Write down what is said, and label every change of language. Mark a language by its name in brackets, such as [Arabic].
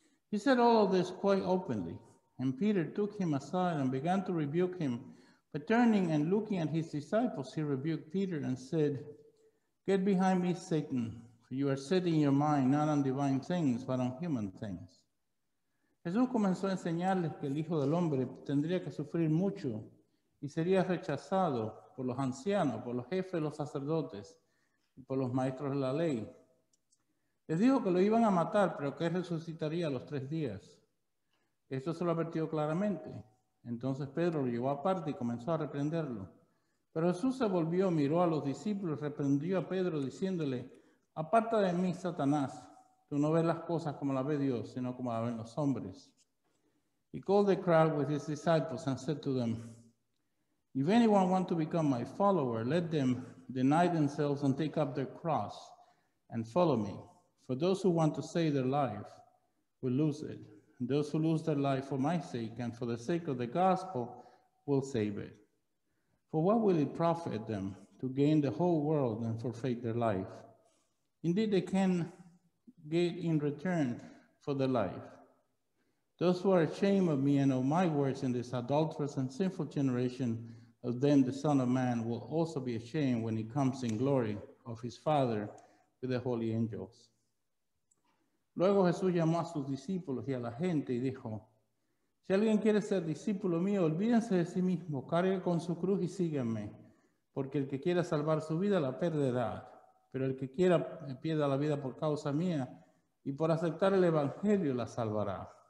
[English] He said all of this quite openly, and Peter took him aside and began to rebuke him. But turning and looking at his disciples, he rebuked Peter and said, "Get behind me, Satan, for you are setting your mind not on divine things, but on human things." [Spanish] Jesús comenzó a enseñarles que el Hijo del Hombre tendría que sufrir mucho y sería rechazado por los ancianos, por los jefes de los sacerdotes y por los maestros de la ley. Les dijo que lo iban a matar, pero que resucitaría a los 3 días. Esto se lo advirtió claramente. Entonces Pedro lo llevó aparte y comenzó a reprenderlo. Pero Jesús se volvió, miró a los discípulos y reprendió a Pedro diciéndole, "Aparta de mí, Satanás, tú no ves las cosas como las ve Dios, sino como las ven los hombres." [English] He called the crowd with his disciples and said to them, "If anyone wants to become my follower, let them deny themselves and take up their cross and follow me. For those who want to save their life will lose it. Those who lose their life for my sake and for the sake of the gospel will save it. For what will it profit them to gain the whole world and forfeit their life? Indeed, they can get in return for their life. Those who are ashamed of me and of my words in this adulterous and sinful generation, of them the Son of Man will also be ashamed when he comes in glory of his Father with the holy angels." [Spanish] Luego Jesús llamó a sus discípulos y a la gente y dijo, "Si alguien quiere ser discípulo mío, olvídense de sí mismo, cargue con su cruz y síganme, porque el que quiera salvar su vida la perderá, pero el que quiera pierda la vida por causa mía y por aceptar el evangelio la salvará."